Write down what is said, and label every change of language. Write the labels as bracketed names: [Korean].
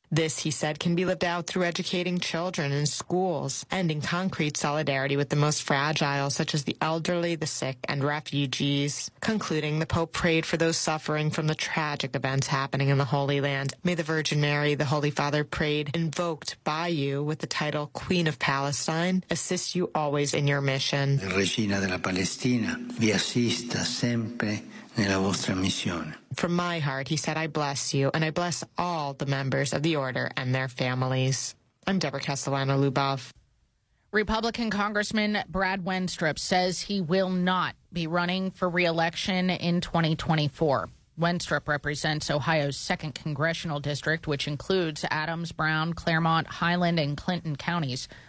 [English] This, he said, can be lived out through educating children in schools and in concrete solidarity with the most fragile, such as the elderly, the sick, and refugees. Concluding, the Pope prayed for those suffering from the tragic events happening in the Holy Land. May the Virgin Mary, the Holy Father prayed, invoked by you with the title Queen of Palestine, assist you always in your mission. [Italian] Regina della Palestina, vi assista sempre nella vostra missione. [English] From my heart, he said, I bless you, and I bless all the members of the Order and their families. I'm Deborah Castellano-Luboff. Republican Congressman Brad Wenstrup says he will not be running for re-election in 2024. Wenstrup represents Ohio's 2nd Congressional District, which includes Adams, Brown, Claremont, Highland, and Clinton counties.